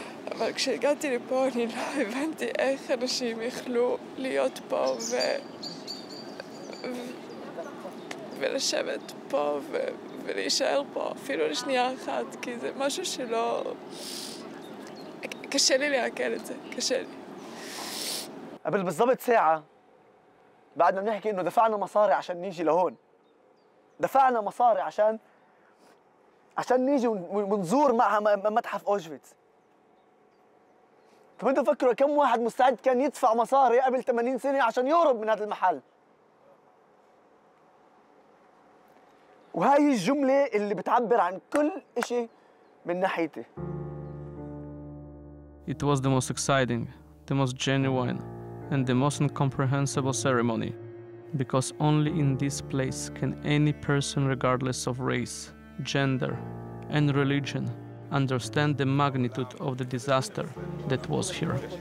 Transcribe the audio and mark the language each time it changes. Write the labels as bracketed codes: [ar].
[he] אבל כשהגעתי לפה, אני לא הבנתי איך אנשים יכלו להיות פה ולשבת פה ולהישאר פה, אפילו לשנייה אחת, כי זה משהו שלא... קשה לי להקל את זה, קשה לי. [ar] قبل بالضبط ساعة بعد ما بنحكي إنه دفعنا مصاري عشان نيجي لهون. دفعنا مصاري عشان نيجي ونزور معها متحف أوشفيتز. طب أنتوا فكروا كم واحد مستعد كان يدفع مصاري قبل 80 سنة عشان يهرب من هذا المحل. وهي الجملة اللي بتعبر عن كل إشي من ناحيتي. [en] It was the most exciting, the most genuine, and the most incomprehensible ceremony, because only in this place can any person, regardless of race, gender, and religion, understand the magnitude of the disaster that was here.